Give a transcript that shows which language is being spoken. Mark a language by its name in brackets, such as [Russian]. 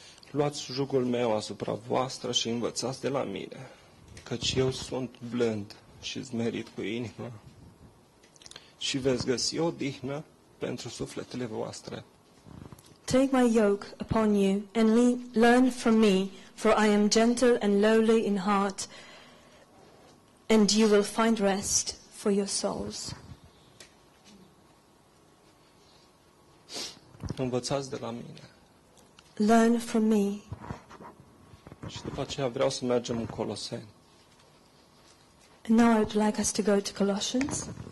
[Romanian] Luați jugul meu asupra voastră și învățați de la mine, căci eu sunt blând și zmerit cu inimă și veți găsi odihnă pentru sufletele voastre. [English] Take my yoke upon you and learn from me, for I am gentle and lowly in heart, and you will find rest for your souls. [Romanian] Învățați de la mine. [English] Learn from me. [Romanian] Și după aceea vreau să mergem în Coloseni. [English] And now I would like us to go to Colossians.